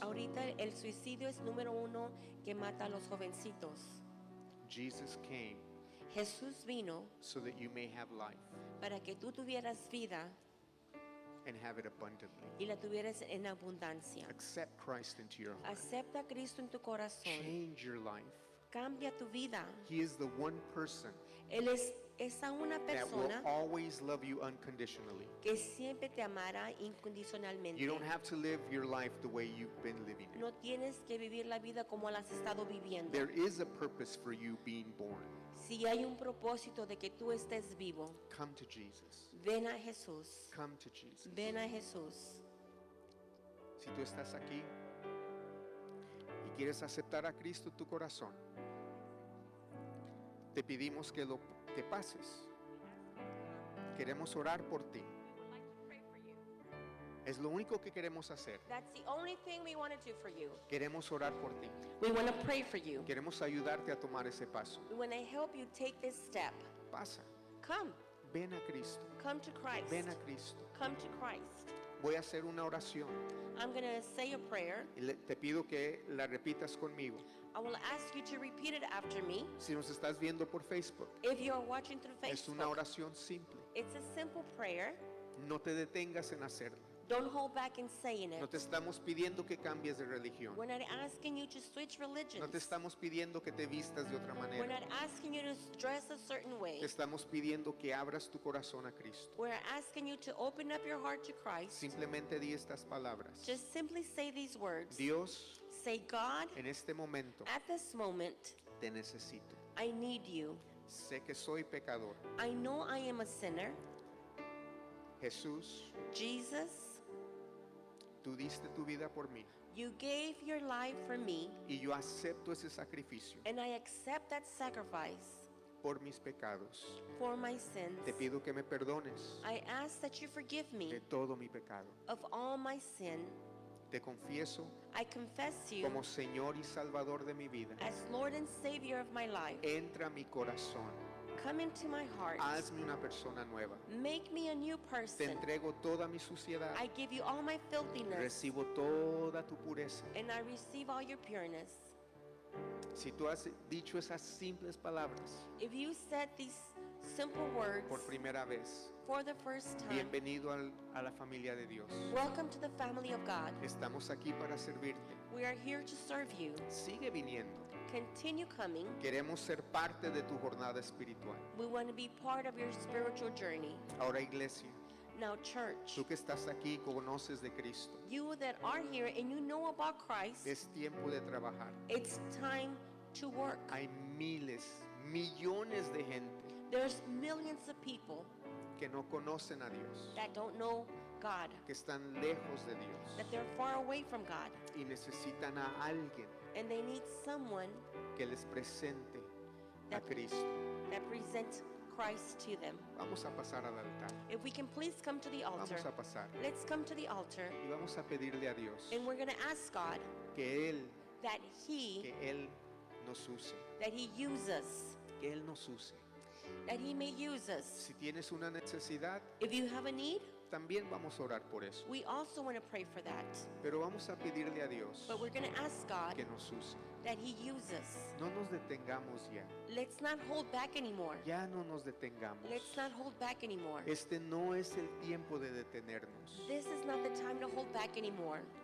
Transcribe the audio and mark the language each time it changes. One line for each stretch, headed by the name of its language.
Spanish: Ahorita el suicidio es número uno que mata a los jovencitos.
English: Jesus came.
Spanish: Jesús vino.
English: So that you may have life.
Spanish: Para que tú tuvieras vida.
English: And have it abundantly.
Spanish: Y la tuvieras en abundancia.
English: Accept Christ into your heart.
Spanish: Acepta a Cristo en tu corazón.
English: Change your life.
Spanish: Cambia tu vida.
English: He is the one person.
Spanish: Él es esa una persona
English: that will always love you unconditionally.
Spanish: Que siempre te amará incondicionalmente.
English: You don't have to live your life the way you've been living it.
Spanish: No tienes que vivir la vida como la has estado viviendo.
English: There is a purpose for you being born.
Spanish: Si hay un propósito de que tú estés vivo.
English: Come to Jesus.
Spanish: Ven a Jesús.
English: Come to Jesus.
Spanish: Ven a Jesús. Si tú estás aquí y quieres aceptar a Cristo en tu corazón, te pedimos que lo que pases. Queremos orar por ti. Es lo único que queremos hacer.
English: That's the only thing we want to do for you.
Spanish: Queremos orar por ti.
English: We want to pray for you.
Spanish: Queremos ayudarte a tomar ese paso.
English: We want to help you take this step.
Spanish: Pasa.
English: Come.
Spanish: Ven a Cristo.
English: Come to Christ.
Spanish: Ven a Cristo.
English: Come to Christ.
Spanish: Voy a hacer una oración.
English: I'm going to say a prayer.
Spanish: Te pido que la repitas conmigo.
English: I will ask you to repeat it after me.
Spanish: Si nos estás viendo por Facebook.
English: If you are watching through Facebook.
Spanish: Es una oración simple.
English: It's a simple prayer.
Spanish: No te detengas en hacerla.
English: Don't hold back in saying it.
Spanish: No te estamos pidiendo que cambies de religión.
English: We're not asking you to switch religions.
Spanish: No te estamos pidiendo que te vistas de otra manera.
English: We're not asking you to dress a certain way.
Spanish: Te estamos pidiendo que abras tu corazón a Cristo.
English: We're asking you to open up your heart to Christ.
Spanish: Simplemente di estas palabras.
English: Just simply say these words.
Spanish: Dios,
English: say God,
Spanish: en este momento,
English: at this moment,
Spanish: te necesito.
English: I need you.
Spanish: Sé que soy pecador.
English: I know I am a sinner.
Spanish: Jesús,
English: Jesus,
Spanish: tú diste tu vida por mí.
English: You gave your life for me.
Spanish: Y yo acepto ese sacrificio.
English: And I accept that sacrifice.
Spanish: Por mis pecados.
English: For my sins.
Spanish: Te pido que me perdones.
English: I ask that you forgive me.
Spanish: De todo mi pecado.
English: Of all my sin.
Spanish: Te confieso,
English: I confess you,
Spanish: como Señor y Salvador de mi vida,
English: as Lord and Savior of my life.
Spanish: Entra a mi corazón.
English: Come into my heart.
Spanish: Hazme una persona nueva.
English: Make me a new person.
Spanish: Te entrego toda mi suciedad.
English: I give you all my filthiness.
Spanish: Recibo toda tu pureza.
English: And I receive all your pureness.
Spanish: Si tú has dicho esas simples palabras,
English: if you said these simple words,
Spanish: por primera vez,
English: for the first time,
Spanish: bienvenido a la familia de Dios.
English: Welcome to the family of God.
Spanish: Estamos aquí para servirte.
English: We are here to serve you.
Spanish: Sigue viniendo.
English: Continue coming.
Spanish: Queremos ser parte de tu jornada espiritual.
English: We want to be part of your spiritual journey.
Spanish: Ahora, iglesia.
English: Now, church.
Spanish: Tú que estás aquí y conoces de Cristo.
English: You that are here and you know about Christ.
Spanish: Es tiempo de trabajar.
English: It's time to work.
Spanish: Hay miles, millones de gente.
English: There's millions of people
Spanish: que no conocen a Dios.
English: That don't know God.
Spanish: Que están lejos de Dios.
English: That they're far away from God.
Spanish: Y necesitan a alguien.
English: And they need someone
Spanish: que les presente a Cristo.
English: That presents Christ to them.
Spanish: Vamos a pasar al altar.
English: If we can please come to the altar.
Spanish: Vamos a pasar.
English: Let's come to the altar.
Spanish: Y vamos a pedirle a Dios.
English: And we're going to ask God
Spanish: que él,
English: that he,
Spanish: que él nos use.
English: That he use us.
Spanish: Que él nos use.
English: That he may use us.
Spanish: Si tienes una necesidad,
English: if you have a need,
Spanish: también vamos a orar por eso.
English: We also want to pray for that.
Spanish: Pero vamos a pedirle a Dios,
English: but we're going to ask God,
Spanish: que nos use.
English: That he use us.
Spanish: No nos detengamos ya.
English: Let's not hold back anymore.
Spanish: Ya no nos detengamos.
English: Let's not hold back anymore.
Spanish: Este no es el tiempo de detenernos.
English: This is not the time to hold back anymore.